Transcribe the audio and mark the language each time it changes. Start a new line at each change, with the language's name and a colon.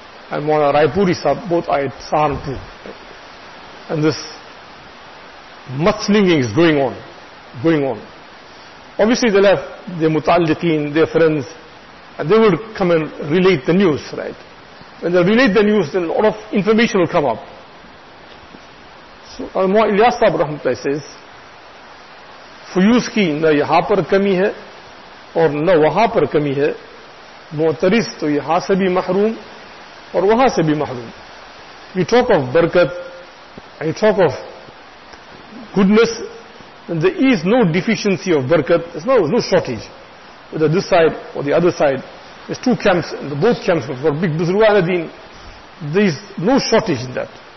English: and Mona Raipuri Sahib, both are at Saharanpur. And this mudslinging is going on. Obviously they'll have their mutalliqeen, their friends, and they would come and relate the news, right? When they relate the news, then a lot of information will come up. So Al-Mu'a Ilyas Sahib Rahmatullah says,
Urdu: fuse کی نہ یہاں پر کمی ہے اور نہ وہاں پر کمی ہے, معترض تو یہاں سے بھی محروم اور وہاں سے بھی محروم.
English: We talk of barakat, I talk of goodness, and there is no deficiency of barakat, there's no shortage. Whether this side or the other side, there's two camps, and both camps for big buzrugan deen, there is no shortage in that.